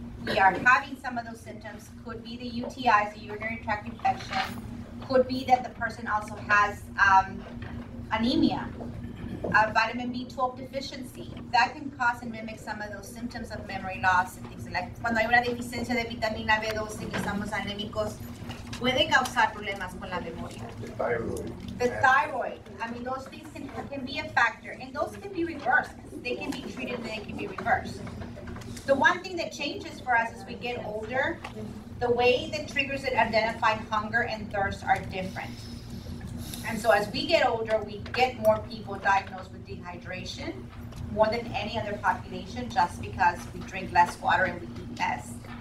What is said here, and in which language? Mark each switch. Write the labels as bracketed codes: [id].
[en] We are having some of those symptoms. Could be the UTIs, the urinary tract infection. Could be that the person also has anemia, a vitamin B12 deficiency. That can cause and mimic some of those symptoms of memory loss and things like that. [es] Cuando hay una deficiencia de vitamina B12 y estamos anémicos, puede causar problemas con la memoria. [en] The thyroid. I mean, those things can be a factor, and those can be reversed. They can be treated and they can be reversed. The one thing that changes for us as we get older, the way the triggers that identify hunger and thirst are different. And so as we get older, we get more people diagnosed with dehydration, more than any other population, just because we drink less water and we eat less.